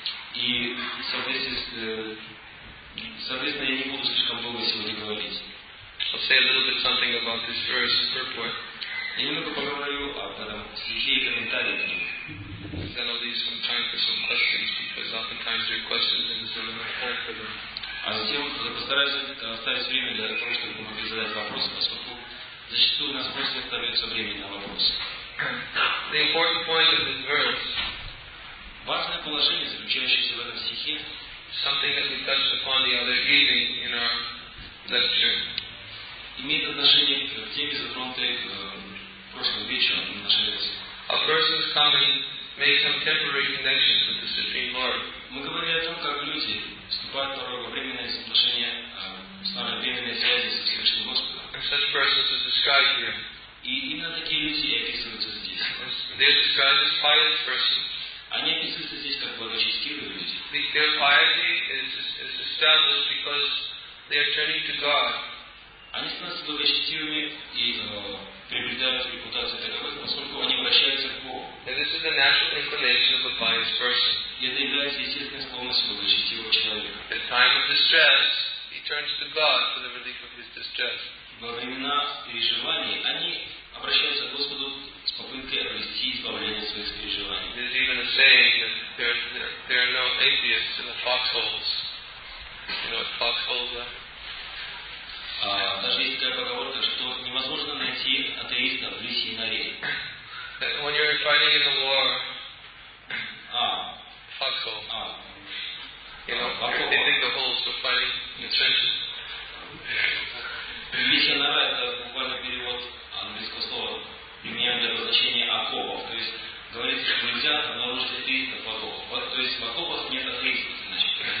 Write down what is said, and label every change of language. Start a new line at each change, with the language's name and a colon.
English: I'll say a little bit something about this verse, purport. Then I'll leave some time for some questions, because oftentimes your questions in the Zoom are hard for them.
Russian: А затем постараюсь оставить время для того, чтобы вы могли задать вопросы, поскольку зачастую у нас просто не остается времени на вопросы.
English: The important point of this verse,
Russian: важное положение, заключающееся в этом стихе,
English: something that we touched upon the other evening in our lecture,
Russian: имеет отношение к теме, затронутой прошлым вечером в нашей лекции.
English: A person's coming makes some temporary connections with the Supreme Lord.
Russian: Мы говорили о том, как люди вступают в временное соглашение, устанавливают временные связи со Всевышним Господом.
English: Such persons are described here.
Russian: И именно такие люди описываются здесь.
English: They're described as pious persons.
Russian: Они описываются здесь как благочестивые люди.
English: Their piety is established because they are turning to God.
Russian: Они становятся благочестивыми и приобретают репутацию таковых, поскольку они обращаются к Богу.
English: And this is the natural inclination of a pious person.
Russian: И это является естественной склонностью благочестивого человека.
English: At time of distress, he turns to God for the relief of his distress.
Russian: Во времена переживаний они обращаются к Господу с попыткой обрести избавление от своих переживаний.
English: There's even a saying that there are no atheists in the foxholes. You know what foxholes are?
Russian: Даже есть такая поговорка, что невозможно найти атеиста в лисьей норе.
English: When you're fighting in the war, foxhole. They dig the holes for fighting in the trenches.
Russian: Лисья нора — это буквально перевод английского слова, применяемый для обозначения окопов. То есть говорится, что нельзя обнаружить атеиста в окопах. То есть в окопах нет атеистов, значит.